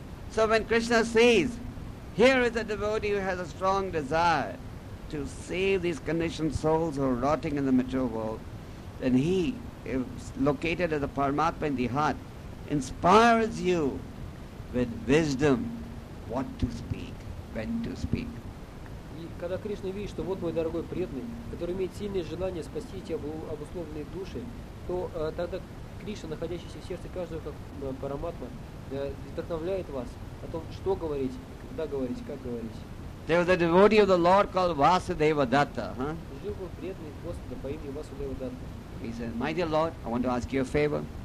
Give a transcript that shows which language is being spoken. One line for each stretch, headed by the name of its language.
English: So when Krishna sees, here is a devotee who has a strong desire to save these conditioned souls who are rotting in the material world, then he, if located as a Paramatma in the heart, inspires you with wisdom what to speak, when to speak.
Russian: И когда Кришна видит, что вот мой дорогой преданный, который имеет сильное желание спасти эти обусловленные души, то тогда Кришна, находящийся в сердце каждого как Параматма, вдохновляет вас о том, что говорить, когда говорить, как говорить.
English: There was a devotee of the Lord called Vasudeva Datta.
Russian: Жил был преданный Господа по имени Васудева Датта.
English: He said, my dear Lord, I want to ask you a favor.